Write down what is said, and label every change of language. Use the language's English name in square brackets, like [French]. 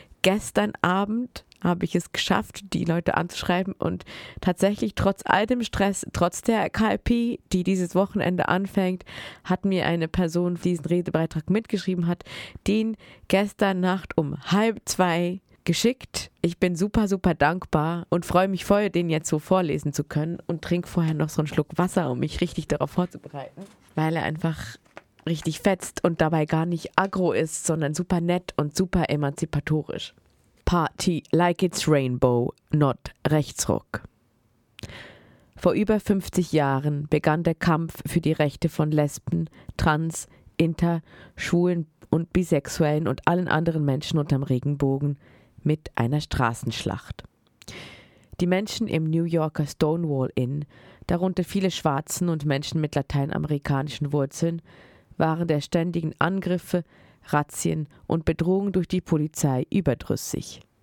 [German] gestern Abend habe ich es geschafft, die Leute anzuschreiben und tatsächlich trotz all dem Stress, trotz der KLP, die dieses Wochenende anfängt, hat mir eine Person, die diesen Redebeitrag mitgeschrieben hat, den gestern Nacht um 1:30 geschickt. Ich bin super, super dankbar und freue mich voll, den jetzt so vorlesen zu können und trinke vorher noch so einen Schluck Wasser, um mich richtig darauf vorzubereiten, weil er einfach richtig fetzt und dabei gar nicht aggro ist, sondern super nett und super emanzipatorisch. [English] Party like it's rainbow, not Rechtsruck. [German] Vor über 50 Jahren begann der Kampf für die Rechte von Lesben, Trans, Inter, Schwulen und Bisexuellen und allen anderen Menschen unterm Regenbogen mit einer Straßenschlacht. Die Menschen im New Yorker Stonewall Inn, darunter viele Schwarzen und Menschen mit lateinamerikanischen Wurzeln, waren der ständigen Angriffe, Razzien und Bedrohungen durch die Polizei überdrüssig.